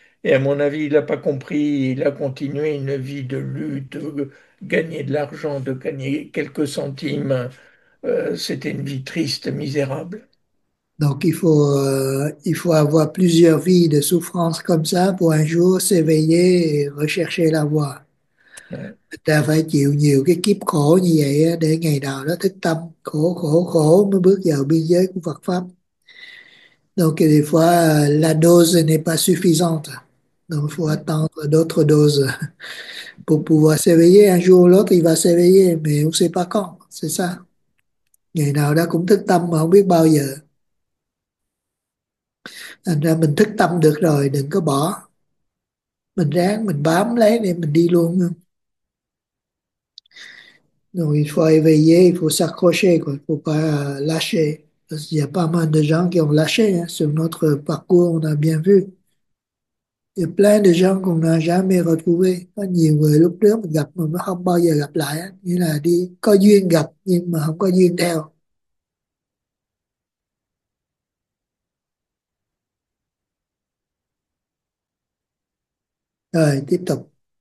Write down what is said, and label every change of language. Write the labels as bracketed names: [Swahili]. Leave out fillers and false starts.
[French] Et à mon avis, il n'a pas compris, il a continué une vie de lutte, de gagner de l'argent, de gagner quelques centimes. C'était une vie triste, misérable. Donc, il faut avoir plusieurs vies de souffrance comme ça pour un jour s'éveiller et rechercher la voie. [Vietnamese] Ta phải chịu nhiều cái kiếp khổ như vậy để ngày nào đó thức tâm khổ khổ khổ mới bước vào biên giới của Phật pháp. [French] Donc des fois la dose n'est pas suffisante. Donc il faut attendre d'autres doses pour pouvoir s'éveiller. Un jour ou l'autre il va s'éveiller, mais on sait pas quand, c'est ça. [Vietnamese] Ngày nào đó cũng thức tâm mà không biết bao giờ. Thành ra mình thức tâm được rồi, đừng có bỏ. Mình ráng mình bám lấy để mình đi luôn. [French] Donc, il faut éveiller, il faut s'accrocher, il ne faut pas lâcher. Parce qu'il y a pas mal de gens qui ont lâché hein, sur notre parcours, on a bien vu. Il y a plein de gens qu'on n'a jamais retrouvés. [Vietnamese] Pas nhiều người lúc trước mình gặp mà không bao giờ gặp lại. Hein. Nghĩa là đi có duyên gặp nhưng mà không có duyên theo. Rồi, tiếp tục.